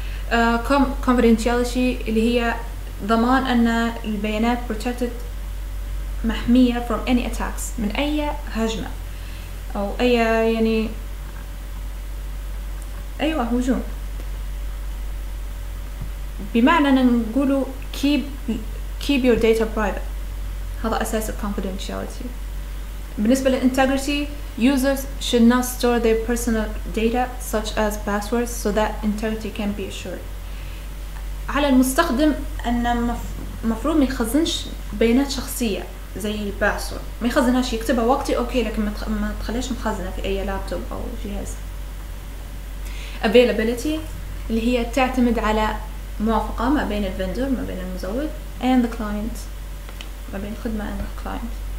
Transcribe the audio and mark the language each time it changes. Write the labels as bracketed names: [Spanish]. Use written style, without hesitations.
[Arabic] Confidentiality اللي هي ضمان أن البيانات protected محمية [English] from any attacks [Arabic] من أي هجمة أو أي يعني أيوة هجوم. بمعنى أن نقوله [English] keep your data private. [Arabic] هذا أساس confidentiality. بالنسبة للintegrity, [English] users should not store their personal data such as passwords so that integrity can be assured. [Arabic] على المستخدم أن مفروض ما يخزنش بيانات شخصية زي الباسورد, ما يخزنهاش, يكتبها وقتي أوكي, لكن ما تخليش مخزنة في أي لابتوب أو جهاز. Availability اللي هي تعتمد على موافقة ما بين الفندر ما بين المزود [English] and the client [Arabic] ما بين الخدمة [English] and the client.